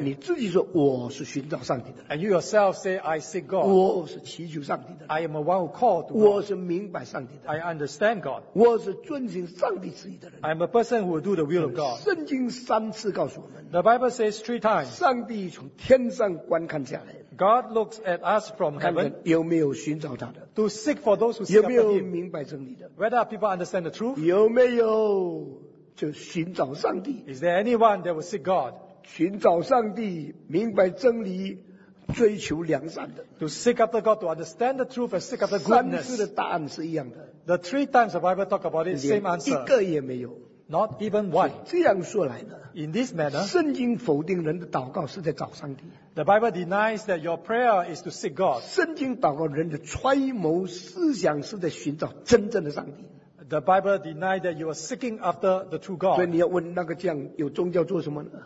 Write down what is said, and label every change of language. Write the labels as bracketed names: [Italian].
[Chinese] 你自己说我是寻找上帝的, [English] and you yourself say, I seek God. [Chinese] 我是祈求上帝的, [English] I am a one who called to God. [Chinese] 我是明白上帝的, [English] I understand God. [Chinese] 我是遵循上帝的, [English] I'm a person who will do the will of God. [Chinese] 圣经三次告诉我们, [English] the Bible says three times, [Chinese] 上帝从天上观看下来, [English] God looks at us from heaven, [Chinese] 看看有没有寻找他的, [English] to seek for those who seek after him, [Chinese] 有没有明白真理的, [English] whether people understand the truth, [Chinese] 有没有就寻找上帝, [English] is there anyone that will seek God? [Chinese] 寻找上帝, 明白真理, 追求良善的, [English] to seek after God, to understand the truth and seek after goodness. [Chinese] 三次的答案是一样的, [English] the three times the Bible talk about it, same answer. [Chinese] 一个也没有, [English] not even one. [Chinese] 这样说来呢, [English] in this manner, [Chinese] 圣经否定人的祷告是在找上帝, [English] the Bible denies that your prayer is to seek God. [Chinese] 圣经祷告人的揣摩思想是在寻找真正的上帝, [English] the Bible denies that you are seeking after the true God. [Chinese] 所以你要问那个这样有宗教做什么呢?